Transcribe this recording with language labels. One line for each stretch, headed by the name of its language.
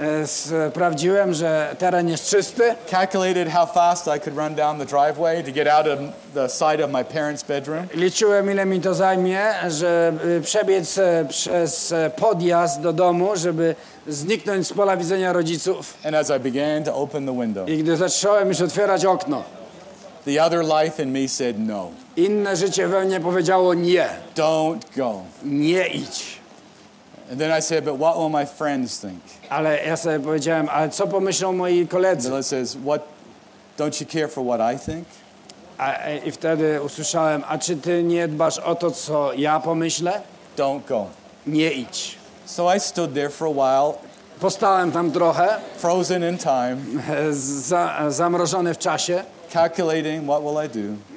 Polish: Sprawdziłem, że teren jest czysty.
English: Calculated how fast I could run down the driveway to get out of the sight of my parents' bedroom.
Polish: Liczyłem, ile mi to zajmie, żeby przebiec przez podjazd do domu, żeby zniknąć z pola widzenia rodziców.
English: And as I began to open the window.
Polish: I gdy zacząłem już otwierać okno.
English: The other life in me said no.
Polish: Inne życie we mnie powiedziało nie.
English: Don't go.
Polish: Nie idź.
English: And then I said, but what will my friends think?
Polish: Ale ja sobie powiedziałem, ale co pomyślą moi koledzy?
English: Mila says, what, don't you care for what I think?
Polish: I wtedy usłyszałem, a czy ty nie dbasz o to, co ja pomyślę?
English: Don't go.
Polish: Nie idź.
English: So I stood there for a while.
Polish: Postałem tam trochę.
English: Frozen in time.
Polish: Zamrożony w czasie.
English: Calculating what will I do.